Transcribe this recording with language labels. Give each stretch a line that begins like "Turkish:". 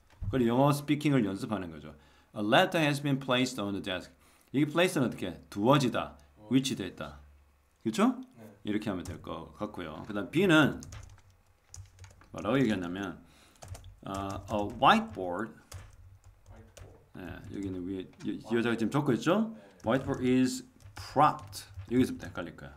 Korean: 그리고 영어 스피킹을 연습하는 거죠.
English: A letter has been placed on the desk.
Korean: 이게 placed는 어떻게? 두어지다. 위치되어 있다. 그렇죠? 네. 이렇게 하면 될 것 같고요. 그 다음 B는 뭐라고 얘기했냐면 a whiteboard. 네, 여기는 위에 여자가 지금 적고 있죠? 네.
English: Whiteboard is propped.
Korean: 여기서 헷갈릴 거야.